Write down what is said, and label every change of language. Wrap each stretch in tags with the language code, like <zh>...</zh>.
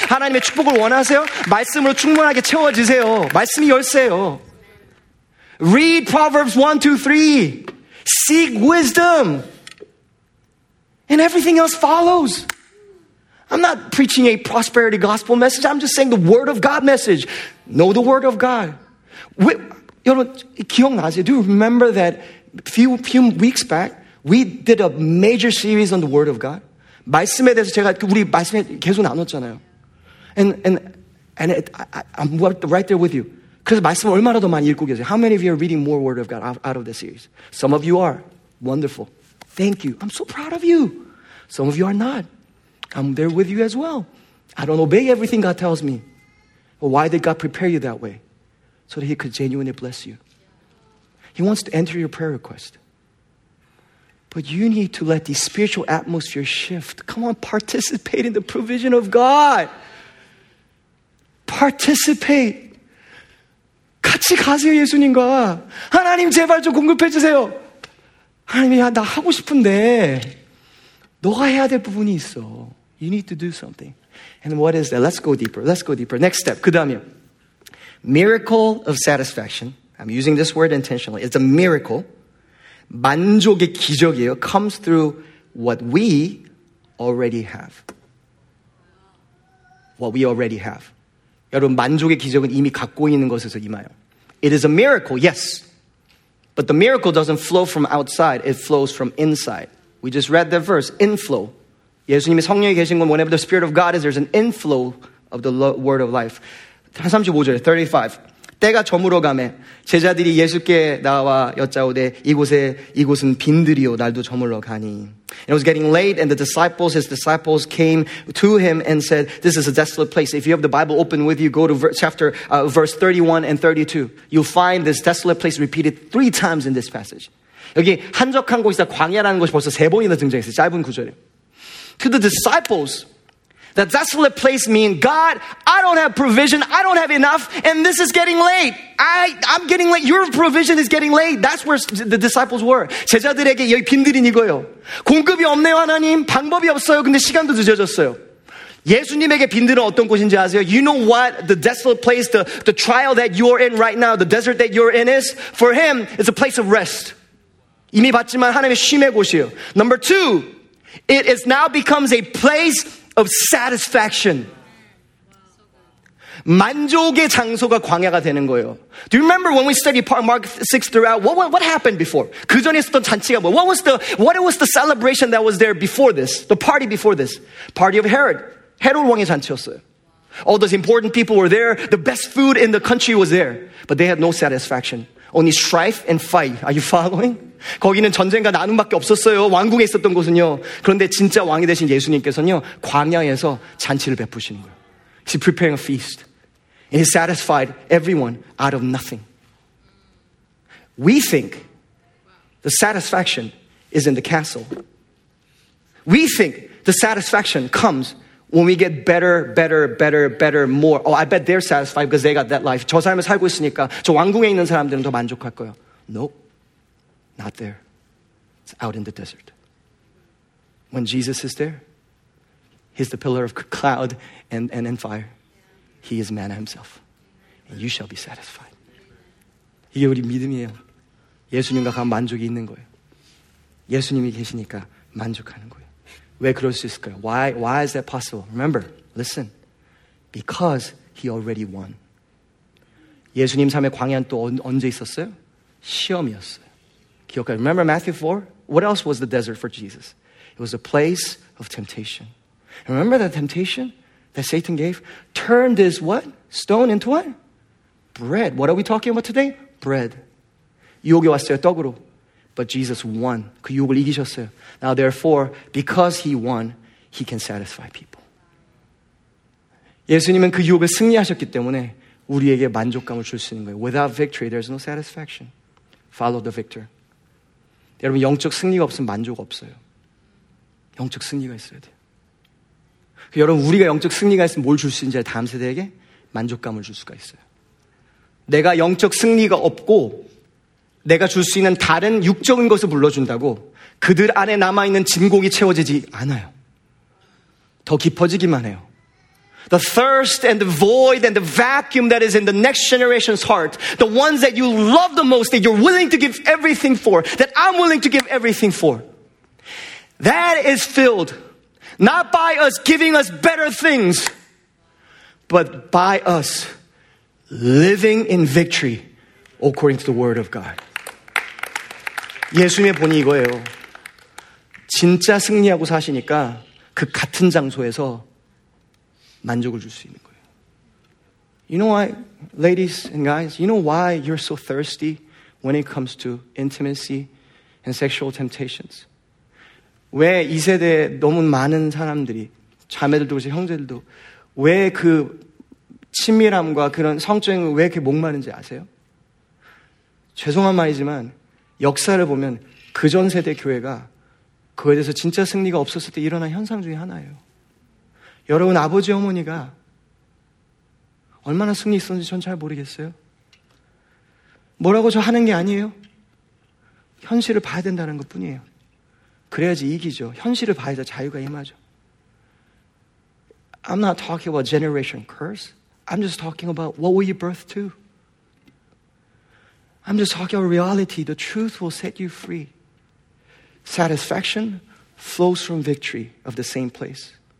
<ko>하나님의 축복을 원하세요? 말씀으로 충분하게 채워지세요. 말씀이 열쇠예요.</ko> <en>Read Proverbs 1, 2, 3. Seek wisdom. And everything else follows. I'm not preaching a prosperity gospel message. I'm just saying the word of God message. Know the word of God. Do you remember that few weeks back, we did a major series on the Word of God?</en> <ko>말씀에 대해서 제가 우리 말씀에 계속 나눴잖아요.</ko> <en>And I'm right there with you.</en> <ko>그래서 말씀을 얼마나 더 많이 읽고 계세요?</ko> <en>How many of you are reading more Word of God out of this series? Some of you are. Wonderful. Thank you. I'm so proud of you. Some of you are not. I'm there with you as well. I don't obey everything God tells me. But why did God prepare you that way? So that he could genuinely bless you. He wants to enter your prayer request. But you need to let the spiritual atmosphere shift. Come on, participate in the provision of God. Participate.</en> <ko>같이 가세요, 예수님과. 하나님, 제발 좀 공급해 주세요. 하나님, 야, 나 하고 싶은데. 너가 해야 될 부분이 있어.</ko> <en>You need to do something. And what is that? Let's go deeper. Next step.</en> <ko>그 다음이요.</ko> <en>Miracle of satisfaction, I'm using this word intentionally, it's a miracle,</en> <ko>만족의 기적이에요,</ko> <en>comes through what we already have. What we already have.</en> <ko>여러분, 만족의 기적은 이미 갖고 있는 것에서 임하여.</ko> <en>It is a miracle, yes. But the miracle doesn't flow from outside. It flows from inside. We just read that verse, inflow.</en> <ko>예수님이 성령이 계신 건</ko> <en>whenever the Spirit of God is, there's an inflow of the word of life.</en> <ko>35절, 35. 때가 저물어가매 제자들이 예수께 나와 여짜오되 이곳에 이곳은 빈들이요 날도 저물어가니.</ko> <en>It was getting late and the disciples, his disciples came to him and said, this is a desolate place. If you have the Bible open with you, go to verse 31 and 32. You'll find this desolate place repeated three times in this passage.</en> <ko>여기 한적한 곳이다 광야라는 것이 벌써 세 번이나 등장했어요. 짧은 구절에.</ko> <en>To the disciples, the desolate place means, God, I don't have provision, I don't have enough, and this is getting late. I'm getting late. Your provision is getting late. That's where the disciples were.</en> <ko>제자들에게 여기 빈들인 이거요. 공급이 없네요, 하나님. 방법이 없어요. 근데 시간도 늦어졌어요. 예수님에게 빈들은 어떤 곳인지 아세요?</ko> <en>You know what the desolate place, the trial that you're in right now, the desert that you're in is? For him, it's a place of rest.</en> <ko>이미 봤지만 하나님의 쉼의 곳이에요.</ko> <en>Number two, it has now becomes a place of satisfaction.</en> <ko>만족의 장소가 광야가 되는 거예요.</ko> <en>Do you remember when we studied Mark 6 throughout? What happened before?</en> <ko>그 전에 있었던 잔치가 뭐?</ko> <en>What was the celebration that was there before this? The party before this? Party of Herod.</en> <ko>헤롯 왕의 잔치였어요.</ko> <en>All those important people were there. The best food in the country was there. But they had no satisfaction. Only strife and fight. Are you following?</en> <ko>거기는 전쟁과 나눔밖에 없었어요. 왕궁에 있었던 곳은요. 그런데 진짜 왕이 되신 예수님께서는요. 광야에서 잔치를 베푸시는 거예요.</ko> <en>He's preparing a feast. And he satisfied everyone out of nothing. We think the satisfaction is in the castle. We think the satisfaction comes when we get better, better, better, better, more. Oh, I bet they're satisfied because they got that life.</en> <ko>저 사람이 살고 있으니까 저 왕궁에 있는 사람들은 더 만족할 거예요.</ko> <en>Nope, not there. It's out in the desert. When Jesus is there, he's the pillar of cloud and fire. He is manna himself. And you shall be satisfied.</en> <ko>이게 우리 믿음이에요. 예수님과 가면 만족이 있는 거예요. 예수님이 계시니까 만족하는 거예요. 왜 그럴 수 있을까요?</ko> <en>Why is that possible? Remember, listen. Because he already won.</en> <ko>예수님 삶의 광야는 또 언제 있었어요? 시험이었어요. 기억해요.</ko> <en>Remember Matthew 4? What else was the desert for Jesus? It was a place of temptation. Remember that temptation that Satan gave? Turn this what? Stone into what? Bread. What are we talking about today? Bread.</en> <ko>유혹이 왔어요, 떡으로.</ko> <en>But Jesus won.</en> <ko>그 유혹을 이기셨어요.</ko> <en>Now therefore, because he won, he can satisfy people.</en> <ko>예수님은 그 유혹을 승리하셨기 때문에 우리에게 만족감을 줄 수 있는 거예요.</ko> <en>Without victory, there's no satisfaction. Follow the victor.</en> <ko>여러분, 영적 승리가 없으면 만족 없어요. 영적 승리가 있어야 돼요. 여러분, 우리가 영적 승리가 있으면 뭘 줄 수 있는지 다음 세대에게 만족감을 줄 수가 있어요. 내가 영적 승리가 없고 내가 줄 수 있는 다른 육적인 것을 불러준다고 그들 안에 남아있는 진공이 채워지지 않아요. 더 깊어지기만 해요.</ko> <en>The thirst and the void and the vacuum that is in the next generation's heart, the ones that you love the most, that you're willing to give everything for, that I'm willing to give everything for, that is filled not by us giving us better things, but by us living in victory according to the word of God.</en> <ko>예수님의 본이 이거예요. 진짜 승리하고 사시니까 그 같은 장소에서 만족을 줄 수 있는 거예요.</ko> <en>You know why, ladies and guys, you know why you're so thirsty when it comes to intimacy and sexual temptations?</en> <ko>왜 이 세대에 너무 많은 사람들이, 자매들도 그렇고 형제들도 왜 그 친밀함과 그런 성적인 걸 왜 이렇게 목마른지 아세요? 죄송한 말이지만 역사를 보면 그 전 세대 교회가 그에 대해서 진짜 승리가 없었을 때 일어난 현상 중에 하나예요. 여러분 아버지 어머니가 얼마나 승리 있었는지 전 잘 모르겠어요. 뭐라고 저 하는 게 아니에요. 현실을 봐야 된다는 것뿐이에요. 그래야지 이기죠. 현실을 봐야 자유가 임하죠.</ko> <en>I'm not talking about generation curse. I'm just talking about what were you birthed to. I'm just talking about reality. The truth will set you free. Satisfaction flows from victory of the same place.</en>